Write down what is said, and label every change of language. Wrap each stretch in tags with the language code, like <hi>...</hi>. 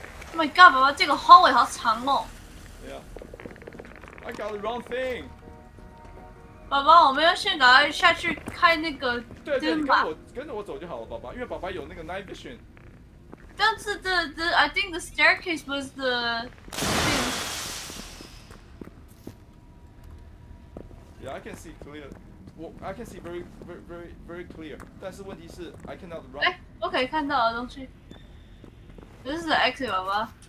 <en>Oh my god, Baba, this hallway is so long. Yeah. I got the wrong thing.</en> <zh>爸爸，我们要先赶快下去开那个灯吧。对，你跟着我走就好了，爸爸。因为爸爸有那个 night vision。但是</zh> <en>the I think the staircase was the thing. Yeah, I can see clear. Well, I can see very, very, very, very clear.</en> <zh>但是问题是</zh> <en>I cannot run. 哎 ，OK，</en> <zh>看到了东西。</zh> <en>This is the exit, 爸爸。</en>